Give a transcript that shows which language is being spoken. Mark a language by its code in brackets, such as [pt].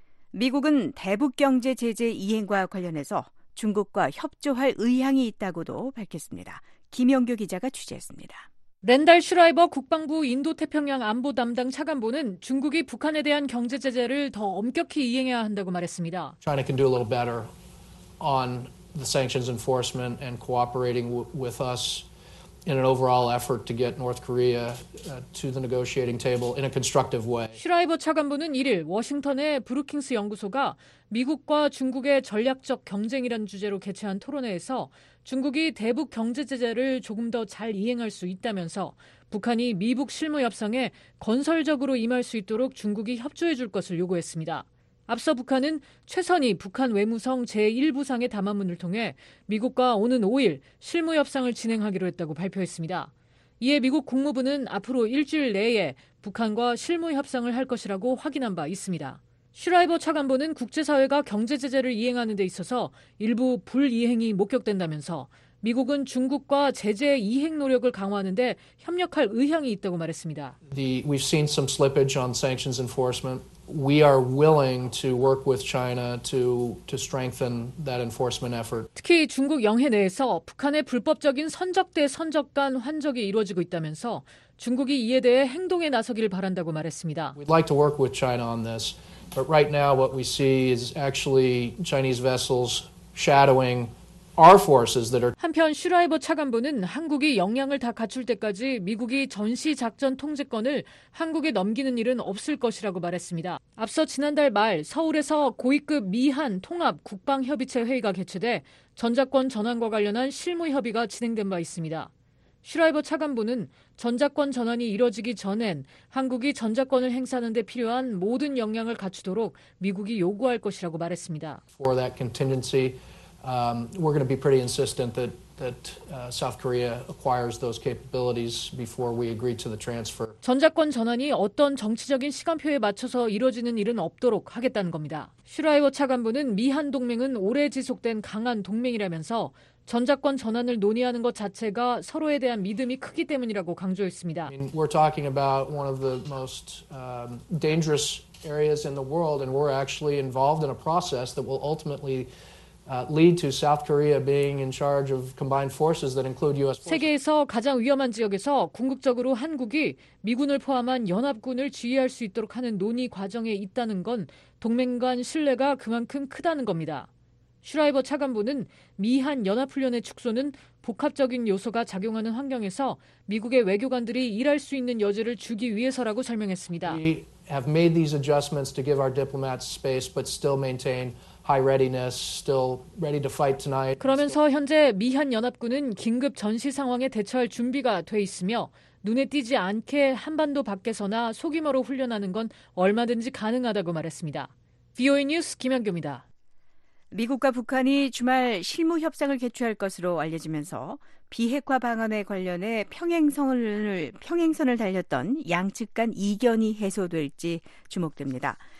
[ko] 미국은 대북 경제 제재 이행과 관련해서 중국과 협조할 의향이 있다고도 밝혔습니다. 김영규 기자가 취재했습니다. 랜달 슈라이버 국방부 인도태평양 안보 담당 차관보는 중국이 북한에 대한 경제 제재를 더 엄격히 이행해야 한다고 말했습니다. [en] China can do a little better. On the sanctions enforcement and cooperating with us in an overall effort to get North Korea to the negotiating table in a constructive way. [ko] 슈라이버 차관보는 1일 워싱턴의 브루킹스 연구소가 미국과 중국의 전략적 경쟁이라는 주제로 개최한 토론회에서 중국이 대북 경제 제재를 조금 더 잘 이행할 수 있다면서 북한이 미북 실무 협상에 건설적으로 임할 수 있도록 중국이 협조해 줄 것을 요구했습니다. 앞서 북한은 최선희 북한 외무성 제1부상의 담화문을 통해 미국과 오는 5일 실무협상을 진행하기로 했다고 발표했습니다. 이에 미국 국무부는 앞으로 일주일 내에 북한과 실무협상을 할 것이라고 확인한 바 있습니다. 슈라이버 차관보는 국제사회가 경제제재를 이행하는 데 있어서 일부 불이행이 목격된다면서 미국은 중국과 제재 이행 노력을 강화하는 데 협력할 의향이 있다고 말했습니다. [en] We've seen some slippage on sanctions enforcement. We are willing to work with China to strengthen that enforcement effort. [ko] 특히 중국 영해 내에서 북한의 불법적인 선적 대 선적 간 환적이 이루어지고 있다면서 중국이 이에 대해 행동에 나서기를 바란다고 말했습니다. [en] We'd like to work with China on this, but right now what we see is actually Chinese vessels shadowing our forces that are. [ko] 한편 슈라이버 차관보는 한국이 역량을 다 갖출 때까지 미국이 전시 작전 통제권을 한국에 넘기는 일은 없을 것이라고 말했습니다. 앞서 지난달 말 서울에서 고위급 미한 통합 국방협의체 회의가 개최돼 전작권 전환과 관련한 실무 협의가 진행된 바 있습니다. 슈라이버 차관보는 전작권 전환이 이뤄지기 전엔 한국이 전작권을 행사하는 데 필요한 모든 역량을 갖추도록 미국이 요구할 것이라고 말했습니다. [en] For that contingency, we're going to be pretty insistent that South Korea acquires those capabilities before we agree to the transfer. [ko] 전작권 전환이 어떤 정치적인 시간표에 맞춰서 이루어지는 일은 없도록 하겠다는 겁니다. 슈라이버 차관보는 미한 동맹은 오래 지속된 강한 동맹이라면서 전작권 전환을 논의하는 것 자체가 서로에 대한 믿음이 크기 때문이라고 강조했습니다. [en] We're talking about one of the most dangerous areas in the world and we're actually involved in a process that will ultimately lead to South Korea being in charge of combined forces that include US forces. [ko] 세계에서 가장 위험한 지역에서 궁극적으로 한국이 미군을 포함한 연합군을 지휘할 수 있도록 하는 논의 과정에 있다는 건 동맹 간 신뢰가 그만큼 크다는 겁니다. 슈라이버 차관보는 미한 연합훈련의 축소는 복합적인 요소가 작용하는 환경에서 미국의 외교관들이 일할 수 있는 여지를 주기 위해서라고 설명했습니다. [en] We have made these adjustments to give our diplomats space but still maintain high readiness, still ready to fight tonight. [ko] 그러면서 현재 미한 연합군은 긴급 전시 상황에 대처할 준비가 돼 있으며 눈에 띄지 않게 한반도 밖에서나 소규모로 훈련하는 건 얼마든지 가능하다고 말했습니다. VOA 뉴스 김현규입니다. 미국과 북한이 주말 실무 협상을 개최할 것으로 알려지면서 비핵화 방안에 관련해 평행선을 달렸던 양측 간 이견이 해소될지 주목됩니다.